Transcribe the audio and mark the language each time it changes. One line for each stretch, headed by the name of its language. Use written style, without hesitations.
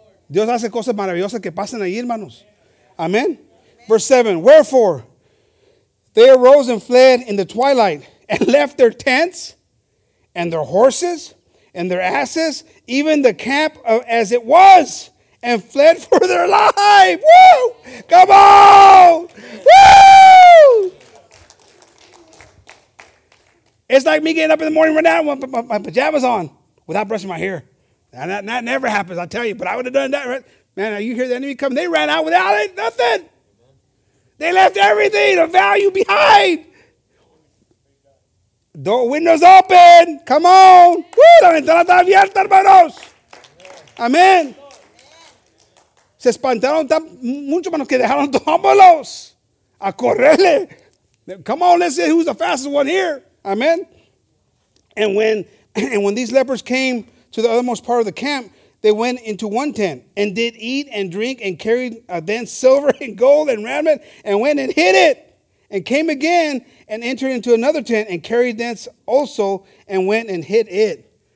Spanish: Dios hace cosas maravillosas que pasan ahí, hermanos.
English: Amen. Verse 7. Wherefore, they arose and fled in the twilight and left their tents and their horses and their asses, even the camp as it was, and fled for their life. Woo! Come on! Woo! It's like me getting up in the morning right now with my pajamas on without brushing my hair. And that never happens, I tell you, but I would have done that, right? Man, you hear the enemy coming. They ran out without it, nothing. They left everything of value behind. Door windows open. Come on. Woo!
Spanish: La ventana está abierta, hermanos.
English: Amen.
Spanish: Se espantaron tan mucho, hermanos, que dejaron tómbolos. A correrle.
English: Come on, let's see who's the fastest one here. Amen. And when these lepers came to the othermost part of the camp, they went into one tent and did eat and drink and carried then silver and gold and raiment and went and hid it and came again and entered into another tent and carried thence also and went and hid it.